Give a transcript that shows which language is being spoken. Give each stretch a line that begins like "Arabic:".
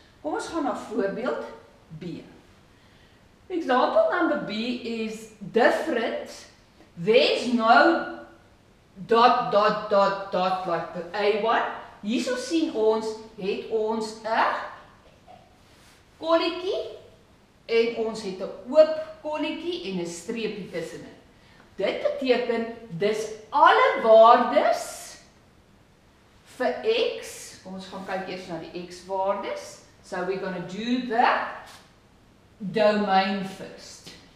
Afrikaans: Kom ons gaan na voorbeeld B.
English: Example number B is different. There's no dot, dot, dot, dot, like the A one.
Afrikaans: Hierso sien ons, het ons 'n kolletjie, en ons het 'n oop kolletjie en 'n streepie tussen dit. Dit beteken dis alle waardes vir x. Ons gaan kyk eers na die x waardes.
English: So we're going to do the domain first.